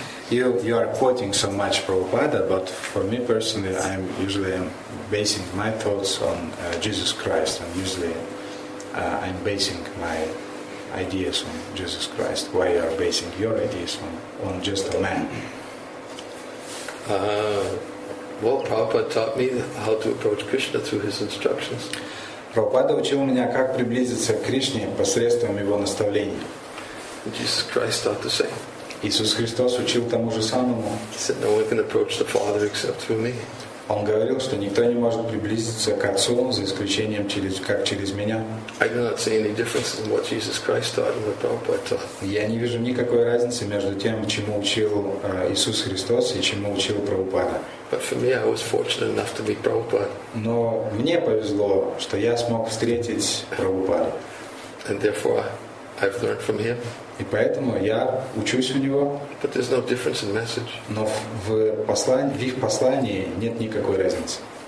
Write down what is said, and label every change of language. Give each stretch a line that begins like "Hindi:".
English: You are quoting so much Prabhupada, but for me personally, I'm basing my thoughts on Jesus Christ, and usually I'm basing my ideas on Jesus Christ. Why you are basing your ideas on just a man? Prabhupada taught me how to approach Krishna through his instructions.
Russian: Prabhupada учил меня, как приблизиться к Кришне посредством его наставлений.
English: Jesus Christ taught the same.
Russian: Иисус Христос учил тому же самому.
English: No one can approach the Father except through me.
Russian: Он говорил, что никто не может приблизиться к Отцу за исключением через меня.
English: I do not see any difference in what Jesus Christ taught and what Prabhupada taught.
Russian: Я не вижу никакой разницы между тем, чему учил Иисус Христос и чему учил Прабхупада.
English: But for me, I was fortunate enough to meet Prabhupada.
Russian: Но мне повезло, что я смог встретить Прабхупаду.
English: And therefore, I've learned from him.
Russian: И поэтому я учусь у него.
English: But there's no difference in message.
Russian: Но в их послании нет никакой разницы.